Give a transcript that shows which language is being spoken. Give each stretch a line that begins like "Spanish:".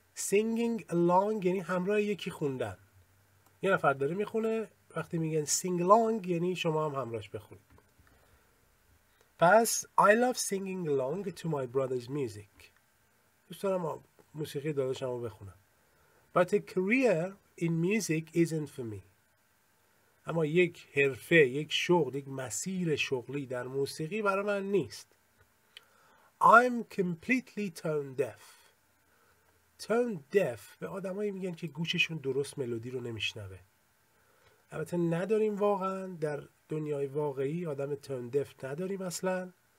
Persian: Singing along یعنی همراه یکی خوندن. یه نفر داره میخونه، وقتی میگن sing along یعنی شما هم همراهش بخونید.
English: پس I love singing along to my brother's music.
Persian: دوست دارم موسیقی داداشم رو بخونم.
English: But a career in music isn't for me.
Persian: اما یک حرفه، یک شغل، یک مسیر شغلی در موسیقی برای من نیست.
English: I'm completely tone deaf.
Persian: Tone deaf به آدم هایی میگن که گوششون درست ملودی رو نمیشنوه. البته نداریم واقعا در دنیای واقعی آدم tone deaf نداریم اصلا.